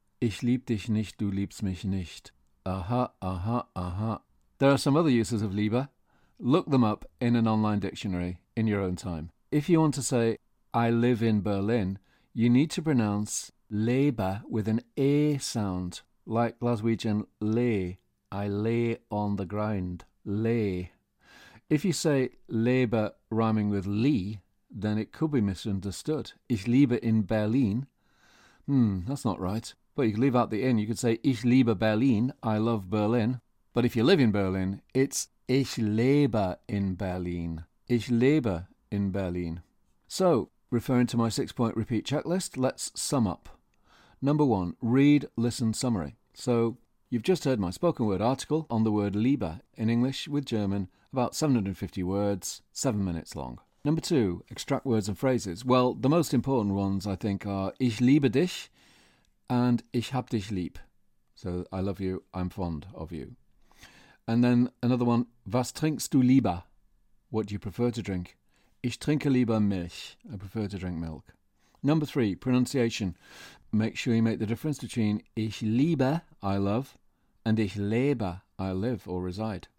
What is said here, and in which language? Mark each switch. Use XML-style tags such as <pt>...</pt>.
<de>Ich lieb dich nicht, du liebst mich nicht. Aha, aha, aha.</de> <en>There are some other uses of Liebe. Look them up in an online dictionary in your own time. If you want to say, I live in Berlin, you need to pronounce Liebe with an A sound, like Glaswegian lay. I lay on the ground. Lay. If you say Liebe rhyming with Lee, then it could be misunderstood.</en> <de>Ich liebe in Berlin.</de> <en>That's not right. But you could leave out the in. You could say,</en> <de>Ich liebe Berlin,</de> <en>I love Berlin. But if you live in Berlin, it's</en> <de>Ich lebe in Berlin. Ich lebe in Berlin.</de> <en>So, referring to my 6-point repeat checklist, let's sum up. Number one, read, listen, summary. So, you've just heard my spoken word article on the word Liebe in English with German, about 750 words, 7 minutes long. Number two, extract words and phrases. Well, the most important ones, I think, are</en> <de>Ich liebe dich</de> <en>and</en> <de>Ich hab dich lieb.</de> <en>So, I love you, I'm fond of you. And then another one,</en> <de>Was trinkst du lieber?</de> <en>What do you prefer to drink?</en> <de>Ich trinke lieber Milch.</de> <en>I prefer to drink milk. Number three, pronunciation. Make sure you make the difference between</en> <de>ich liebe,</de> <en>I love, and</en> <de>ich lebe,</de> <en>I live or reside.</en>